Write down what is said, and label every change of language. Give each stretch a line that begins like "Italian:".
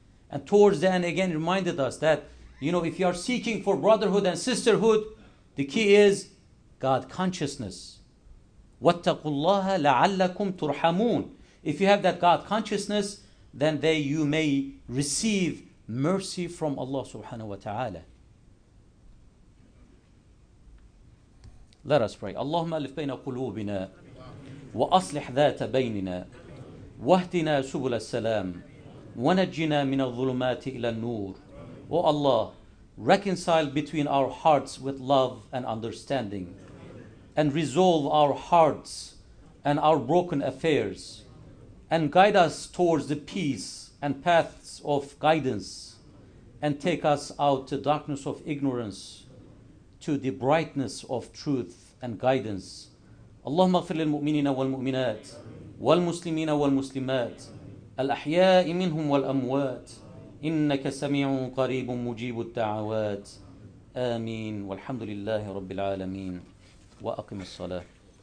English: And towards the end, again, reminded us that, you know, if you are seeking for brotherhood and sisterhood, the key is God consciousness.
Arabic: وَاتَّقُوا اللَّهَ لَعَلَّكُمْ تُرْحَمُونَ.
English: If you have that God consciousness, then they you may receive mercy from Allah subhanahu wa ta'ala. Let us pray.
Arabic: اللهم ألف بين قلوبنا وأصلح ذات بيننا واهدنا سبل السلام ونجنا من الظلمات إلى النور.
English: O Allah, reconcile between our hearts with love and understanding, and resolve our hearts and our broken affairs, and guide us towards the peace and paths of guidance, and take us out of the darkness of ignorance to the brightness of truth and guidance.
Arabic: اللهم اغفر للمؤمنين والمؤمنات والمسلمين والمسلمات الأحياء منهم والأموات إنك سميع قريب مجيب الدعوات آمين والحمد لله رب العالمين وأقم الصلاة.